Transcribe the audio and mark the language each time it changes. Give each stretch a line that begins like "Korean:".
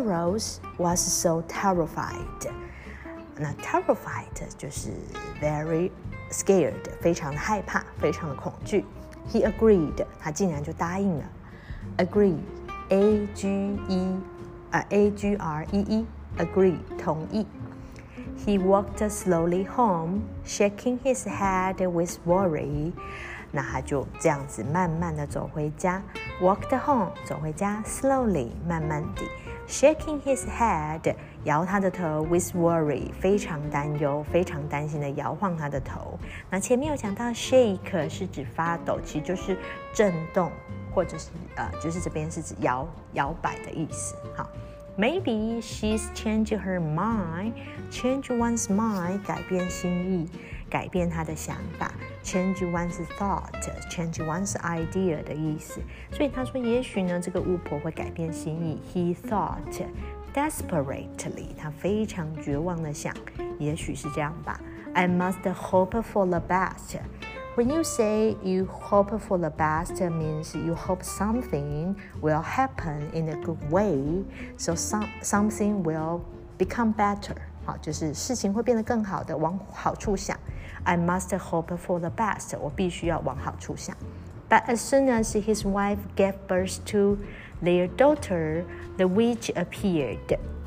English: Rose was so terrified.
Chinese: 那 terrified 就是
English: very scared,
Chinese: 非常的害怕，非常的恐惧。
English: He agreed,
Chinese: 他竟然就答应了。Agree, A-G-R-E-E, agree, 同意。
English: He walked slowly home, shaking his head with worry.
Chinese: 那他就这样子慢慢的走回家。
English: Walked home,
Chinese: 走回家 slowly, 慢慢地。
English: Shaking his head,
Chinese: 摇他的头
English: with worry,
Chinese: 非常担忧，非常担心的摇晃他的头。那前面有讲到 shake 是指发抖，其实就是震动，或者是就是这边是指摇摆的意思。好 ，
English: Maybe she's changed her mind, change one's mind,
Chinese: 改变心意，改变他的想法。
English: Change one's thought, change one's idea 的意思。
Chinese: 所以他说，也许呢，这个巫婆会改变心意。
English: He thought desperately,
Chinese: 他非常绝望的想，也许是这样吧。
English: I must hope for the best. When you say you hope for the best, means you hope something will happen in a good way, so something will become better.
Chinese: 好，就是事情会变得更好的，往好处想。
English: I must hope for the best.
Chinese: 我必须要往好处想。
English: But as soon as his wife gave birth to their daughter, the witch appeared.